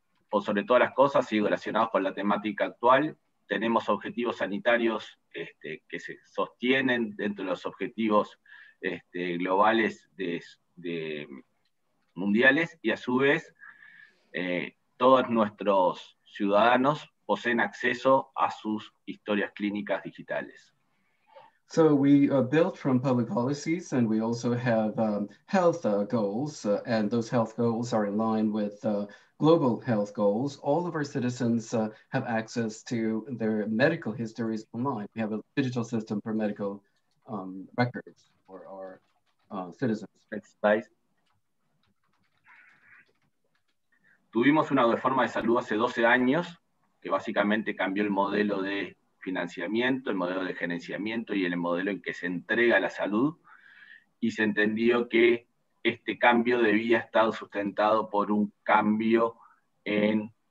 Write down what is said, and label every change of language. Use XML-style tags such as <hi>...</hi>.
<es>Por sobre todas las cosas y relacionados con la temática actual, tenemos objetivos sanitarios que se sostienen dentro de los objetivos globales de mundiales y a su vez todos nuestros ciudadanos poseen acceso a sus historias clínicas digitales.</es> <en>So we are built from public policies and we also have health goals and those health goals are in line with global health goals. All of our citizens have access to their medical histories online. We have a digital system for medical records for our citizens.</en> <es>Tuvimos una reforma de salud hace 12 años que básicamente cambió el modelo de financiamiento, el modelo de gerenciamiento y el modelo en que se entrega la salud, y se entendió que este cambio debía estar sustentado por un cambio en</es>